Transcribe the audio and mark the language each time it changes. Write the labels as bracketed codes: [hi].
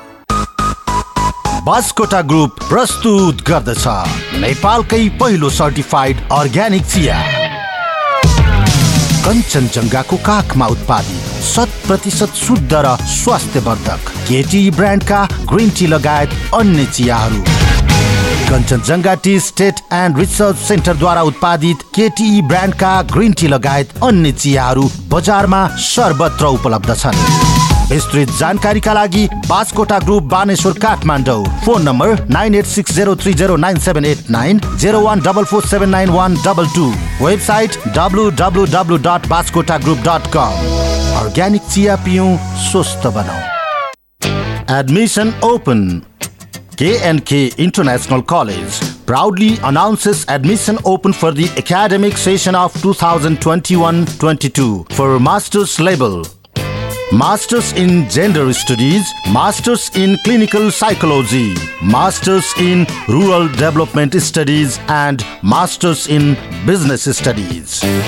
[ne] Baskota group प्रस्तुत गर्दछ नेपालकै पहिलो सर्टिफाइड अर्ग्यानिक चिया, कञ्चनजङ्घाको काखमा उत्पादित 100% शुद्ध र स्वास्थ्यवर्धक केटी ब्रान्डका ग्रिन टी लगायत अन्य चियाहरू, Kanchenjunga T estate and research सेन्टरद्वारा उत्पादित केटी ब्रान्डका ग्रिन टी लगायत अन्य चियाहरू बजारमा सर्वत्र उपलब्ध छन्। विस्तृत जानकारीका लागि Baskota group Baneshwar Kathmandu, phone number 9860309789, 01447912, website www.baskotagroup.com। Organic चिया पियौँ, स्वस्थ बनाऊ। [en] Admission open. KNK International College proudly announces admission open for the academic session of 2021-22 for master's level. Masters in Gender Studies, Masters in Clinical Psychology, Masters in Rural Development Studies and Masters in Business Studies.